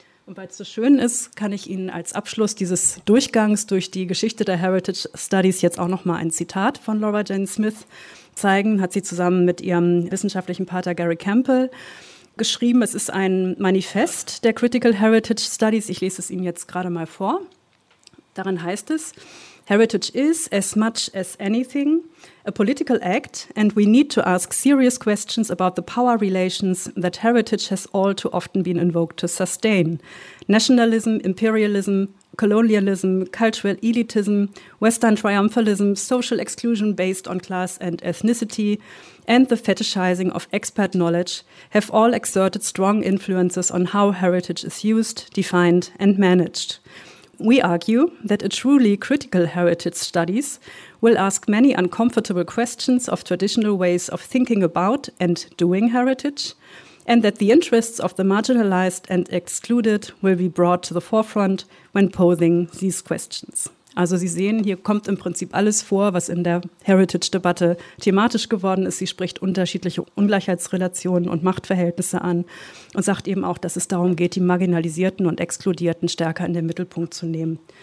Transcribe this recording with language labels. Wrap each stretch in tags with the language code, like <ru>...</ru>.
<de>Und weil es so schön ist, kann ich Ihnen als Abschluss dieses Durchgangs durch die Geschichte der Heritage Studies jetzt auch noch mal ein Zitat von Laura Jane Smith zeigen. Hat sie zusammen mit ihrem wissenschaftlichen Partner Gary Campbell geschrieben. Es ist ein Manifest der Critical Heritage Studies. Ich lese es Ihnen jetzt gerade mal vor. Darin heißt es:</de> <en>Heritage is, as much as anything, a political act, and we need to ask serious questions about the power relations that heritage has all too often been invoked to sustain. Nationalism, imperialism, colonialism, cultural elitism, Western triumphalism, social exclusion based on class and ethnicity, and the fetishizing of expert knowledge have all exerted strong influences on how heritage is used, defined, and managed. We argue that a truly critical heritage studies will ask many uncomfortable questions of traditional ways of thinking about and doing heritage, and that the interests of the marginalized and excluded will be brought to the forefront when posing these questions.</en> <de>Also Sie sehen, hier kommt im Prinzip alles vor, was in der Heritage-Debatte thematisch geworden ist. Sie spricht unterschiedliche Ungleichheitsrelationen und Machtverhältnisse an und sagt eben auch, dass es darum geht, die Marginalisierten und Exkludierten stärker in den Mittelpunkt zu nehmen.</de>